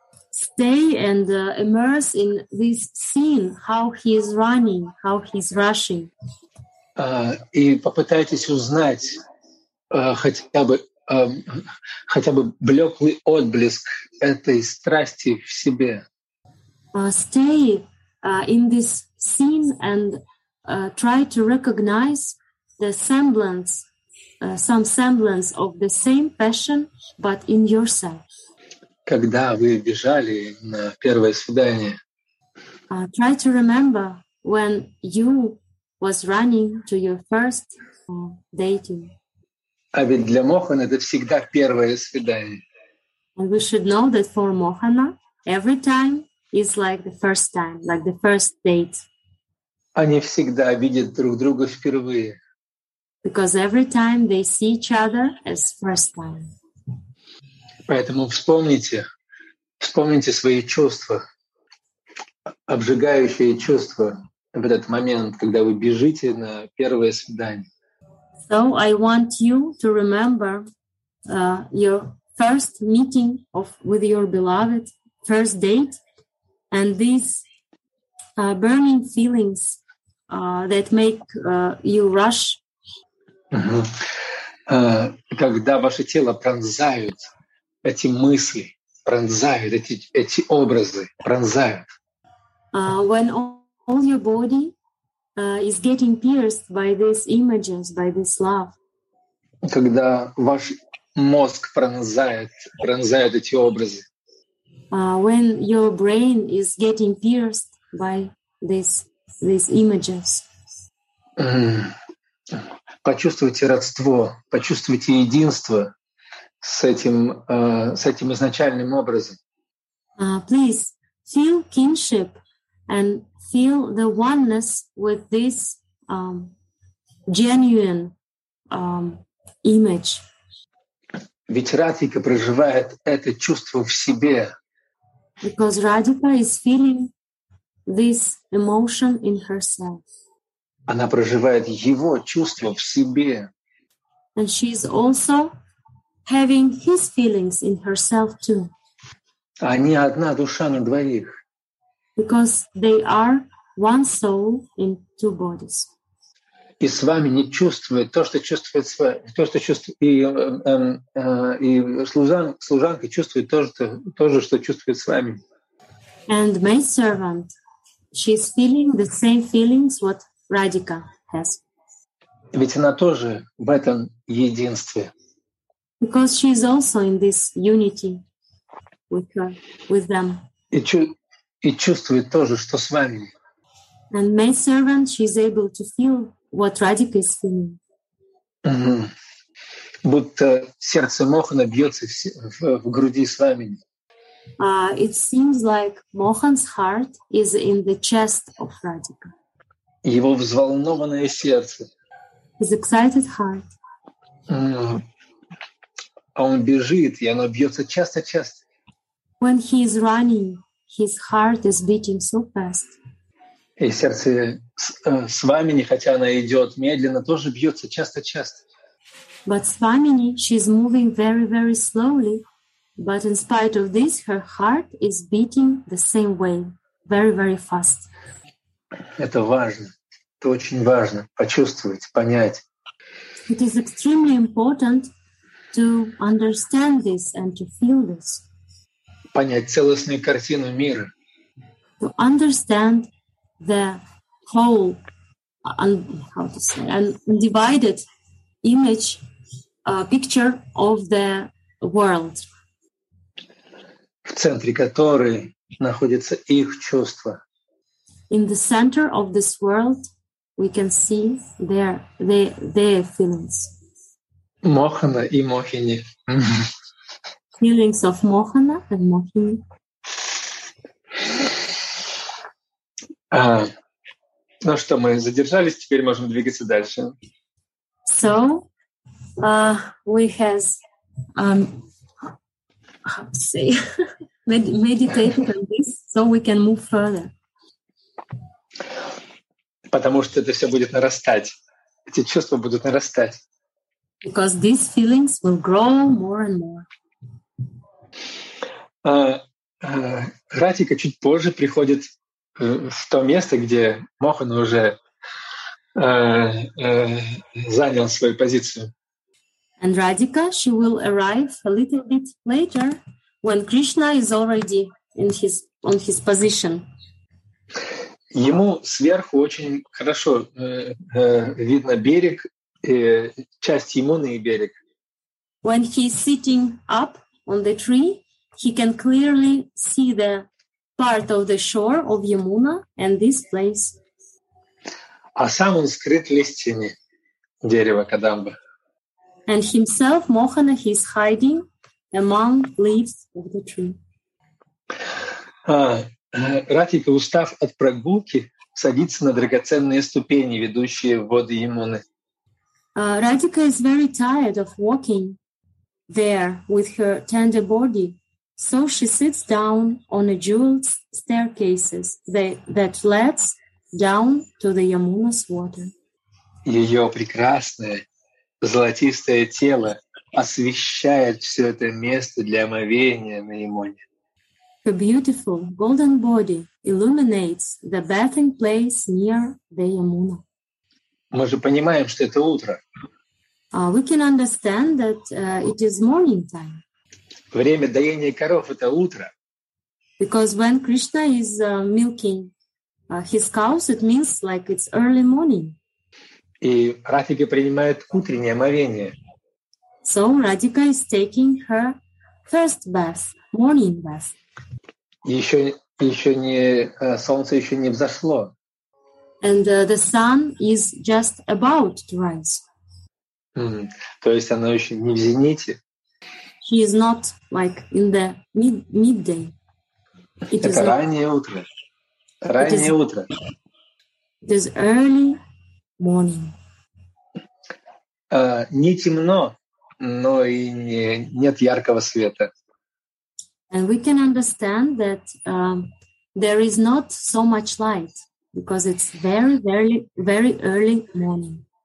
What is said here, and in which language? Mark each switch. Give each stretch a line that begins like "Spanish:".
English: Stay and immerse in this scene, how he is running, how he's rushing.
Russian: И попытайтесь узнать хотя бы блеклый отблеск этой страсти в себе.
English: Stay in this scene and try to recognize the semblance, some semblance of the same passion, but in yourself.
Russian: Когда вы бежали на первое свидание?
English: Try to remember when you was running to your first dating.
Russian: А ведь для Mohan это всегда первое свидание.
English: And we should know that for Mohana, every time is like the first time, like the first date.
Russian: Они всегда видят друг друга впервые.
English: Because every time they see each other as first time.
Russian: Поэтому вспомните свои чувства, обжигающие чувства в этот момент, когда вы бежите на первое свидание.
English: So I want you to remember your first meeting of with your beloved, first date, and these burning feelings that make you rush.
Russian: Когда ваше тело пронзают эти мысли, пронзают эти образы, пронзают.
English: When all your body is getting pierced by these images, by this love.
Russian: Когда ваш мозг пронзает эти образы.
English: When your brain is getting pierced by these images.
Russian: Почувствуйте родство, почувствуйте единство с этим изначальным образом.
English: Please feel kinship and feel the oneness with this genuine image.
Russian: Ведь Радика проживает это чувство в себе.
English: Because Radhika is feeling this emotion in herself.
Russian: Она проживает его чувство в себе.
English: And she is also having his feelings in herself too.
Russian: Они одна душа на двоих.
English: Because they are one soul in two bodies.
Russian: И с вами не чувствует то, что чувствует с вами, то, что чувствует и служанка чувствует то же, что чувствует с вами.
English: And maid servant, she's feeling the same feelings what Radhika has.
Russian: Ведь она тоже в этом единстве.
English: Because she is also in this unity with her, with them.
Russian: И чувствует тоже, что с вами.
English: And maid servant, she's able to feel what Radhika is feeling. Mm-hmm.
Russian: Будто сердце Мохана бьется в груди с вами.
English: It seems like Mohan's heart is in the chest of Radhika.
Russian: Его взволнованное сердце.
English: His excited heart.
Russian: А он бежит, и оно бьется часто-часто.
English: When he is running, his heart is beating so fast.
Russian: И сердце с вами, хотя она идет медленно, тоже бьется часто-часто.
English: But Swamini, she's moving very, very slowly. But in spite of this, her heart is beating the same way, very, very fast.
Russian: Это важно. Это очень важно почувствовать, понять.
English: It is extremely important to understand this and to feel this.
Russian: Понять целостную картину мира.
English: To understand the whole undivided image, picture of the world.
Russian: В центре которой находится их чувство.
English: In the center of this world, we can see their feelings.
Russian: Мохана и Мохини.
English: Feelings of Mohana and Mohini.
Russian: Ну что, мы задержались, теперь можем двигаться дальше.
English: So, we have, how to say, meditated on this, so we can move further.
Russian: Потому что это все будет нарастать. Эти чувства будут нарастать.
English: Because these feelings will grow more and more.
Russian: Радика чуть позже приходит в то место, где Мохан уже занял свою позицию.
English: And Radhika, she will arrive a little bit later when Krishna is already in his on his position.
Russian: Ему сверху очень хорошо видно берег, часть Ямуны и берег.
English: When he is sitting up on the tree, he can clearly see the part of the shore of Yamuna and this place.
Russian: А сам он скрыт листьями дерева Кадамба.
English: And himself, Mohana, he is hiding among leaves of the tree.
Russian: Радхика, устав от прогулки, садится на драгоценные ступени, ведущие в воды Ямуны.
English: Радхика is very tired of walking there with her tender body. So she sits down on a jeweled staircase that leads down to the Yamuna's water.
Russian: Ее прекрасное золотистое тело освещает все это место для омовения на Ямоне.
English: Her beautiful golden body illuminates the bathing place near the Yamuna.
Russian: Мы же понимаем, что это утро.
English: We can understand that it is morning time.
Russian: Время доения коров — это утро.
English: Because when Krishna is milking his cows, it means like it's early morning.
Russian: И Радхика принимает утреннее омовение.
English: So Radhika is taking her first bath, morning bath.
Russian: Еще не солнце еще не взошло.
English: And the sun is just about to rise.
Russian: То есть оно еще не в зените.
English: She is not like in the midday. It
Russian: Это
English: is
Russian: раннее
English: like...
Russian: утро. Раннее утро.
English: It is early morning.
Russian: Не темно, но и нет яркого света.
English: And we can understand that there is not so much light because it's very, very, very early morning.